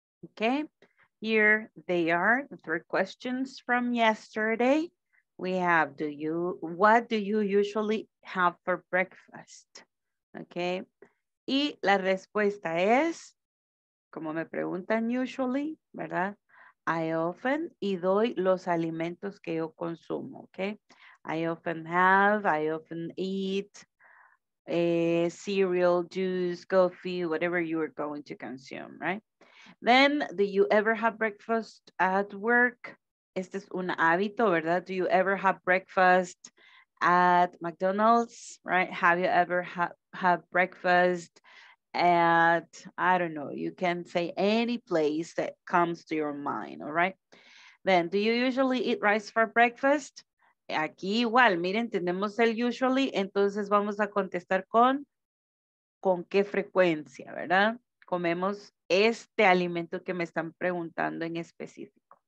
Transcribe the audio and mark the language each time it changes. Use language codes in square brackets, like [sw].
[en] Okay, here they are, the three questions from yesterday. We have, what do you usually have for breakfast? [es] Okay, y la respuesta es, como me preguntan usually, ¿verdad? [en] I often, [es] y doy los alimentos que yo consumo, okay? [en] I often have, I often eat cereal, juice, coffee, whatever you are going to consume, right? Then, do you ever have breakfast at work? [es] Este es un hábito, ¿verdad? [en] Do you ever have breakfast at McDonald's, right? Have you ever have breakfast at, I don't know, you can say any place that comes to your mind, all right? Then, do you usually eat rice for breakfast? [es] Aquí igual, miren, tenemos el usually, entonces vamos a contestar con qué frecuencia, ¿verdad? Comemos este alimento que me están preguntando en específico.